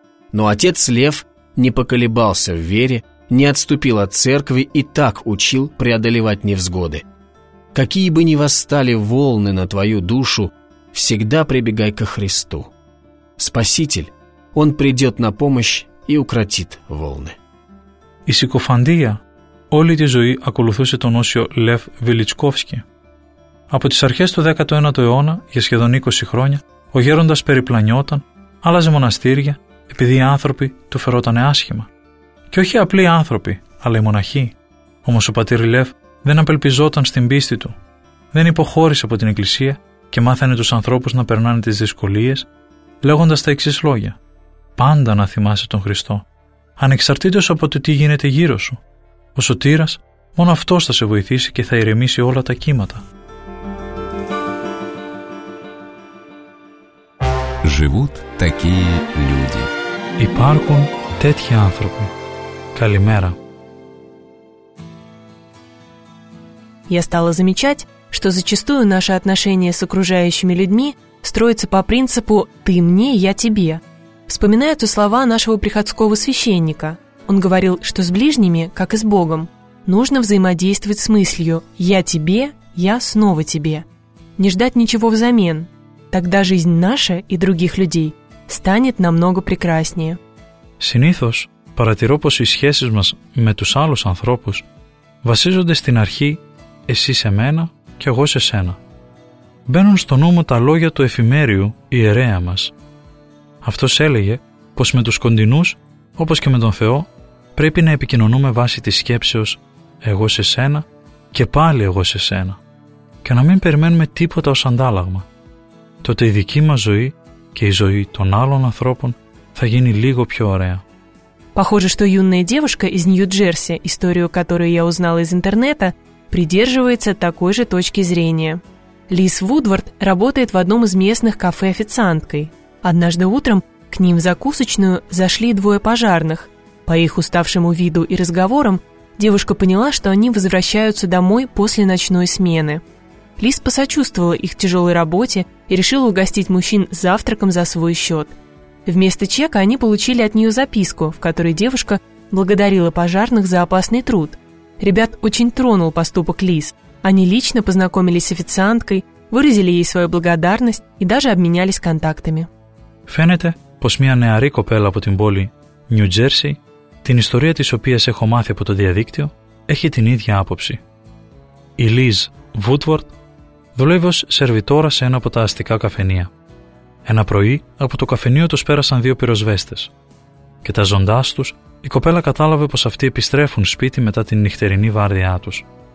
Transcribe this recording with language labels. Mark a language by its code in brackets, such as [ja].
[ru] Но отец Лев не поколебался в вере, не отступил от церкви и так учил преодолевать невзгоды. Какие бы ни восстали волны на твою душу, всегда прибегай ко Христу. Спаситель, Он придет на помощь и укротит волны. [el] Η Сикοφαντία όλη τη ζωή ακολουθούσε τον Όσιο Λεφ Βιλιτσκόφσκι. Από τις αρχές του 19ου αιώνα, για σχεδόν 20 χρόνια, ο γέροντας περιπλανιόταν, άλλαζε μοναστήρια, επειδή οι άνθρωποι του φερότανε άσχημα. Και όχι απλοί άνθρωποι, αλλά οι μοναχοί. Όμως ο πατήρ Λεφ δεν απελπιζόταν στην πίστη του. Δεν υποχώρησε από την Εκκλησία και μάθανε τους ανθρώπους να περνάνε τις δυσκολίες, λέγοντας τα εξής λόγια: «Πάντα να θυμάσαι τον Χριστό, ανεξαρτήτως από το τι γίνεται γύρω σου. Ο Σωτήρας, μόνο αυτός θα σε βοηθήσει και θα ηρεμήσει όλα τα κύματα». [ru] Живут такие люди. [el] Υπάρχουν τέτοιοι άνθρωποι. Καλημέρα. [ru] Я стала замечать, что зачастую наши отношения с окружающими людьми строятся по принципу «ты мне, я тебе». Вспоминаются слова нашего приходского священника. Он говорил, что с ближними, как и с Богом, нужно взаимодействовать с мыслью «я тебе, я снова тебе». Не ждать ничего взамен. Тогда жизнь наша и других людей станет намного прекраснее. [el] Συνήθως, παρατηρώ πως οι σχέσεις μας με τους άλλους ανθρώπους βασίζονται στην αρχή «εσύ σε μένα και εγώ σε σένα». Μπαίνουν στο νου μου τα λόγια του Εφημέριου, ιερέα μας. Αυτός έλεγε πως με τους κοντινούς, όπως και με τον Θεό, πρέπει να επικοινωνούμε βάσει της σκέψεως «εγώ σε σένα και πάλι εγώ σε σένα» και να μην περιμένουμε τίποτα ως αντάλλαγμα. Τότε η δική μας ζωή και η ζωή των άλλων ανθρώπων θα γίνει λίγο πιο ωραία. [ru] Похоже, что юная девушка из Нью-Джерси, историю которой я узнала из интернета, придерживается такой же точки зрения. Лиз Вудвард работает в одном из местных кафе официанткой. Однажды утром к ним в закусочную зашли двое пожарных. По их уставшему виду и разговорам, девушка поняла, что они возвращаются домой после ночной смены. Лиз посочувствовала их тяжелой работе и решила угостить мужчин завтраком за свой счет. Вместо чека они получили от нее записку, в которой девушка благодарила пожарных за опасный труд. Ребят очень тронул поступок Лиз. Они лично познакомились с официанткой, выразили ей свою благодарность и даже обменялись контактами. [el] Φαίνεται πως μια νεαρή κοπέλα από την πόλη New Jersey, την ιστορία της οποίας έχω μάθει από το διαδίκτυο, έχει την ίδια άποψη. Η Λιζ Βούτουαρτ δουλεύει ως σερβιτόρα σε ένα από τα αστικά καφενεία. Ένα πρωί από το καφενείο τους πέρασαν δύο πυροσβέστες. Κοιτάζοντάς τους, η κοπέλα κατάλαβε πως αυτοί επιστρέφουν σπίτι μετά την νυχτερινή βάρδιά τους.